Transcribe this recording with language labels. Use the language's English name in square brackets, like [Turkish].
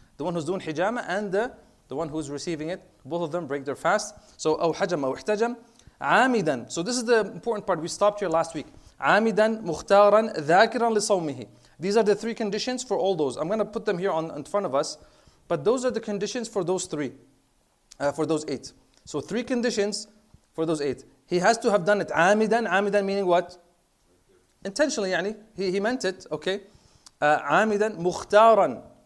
[English] The one who's doing hijama and the one who's receiving it, both of them break their fast. [Arabic] So, أو حجم أو احتجم عامداً. [English] So this is the important part. We stopped here last week. [Arabic] عامداً مختاراً ذاكراً لصومه. [English] These are the three conditions for all those. I'm going to put them here in front of us. But those are the conditions for those three, for those eight. So three conditions for those eight. He has to have done it عامداً. عامداً meaning what? Intentionally, يعني. He meant it, okay. [Arabic] عامداً مختاراً.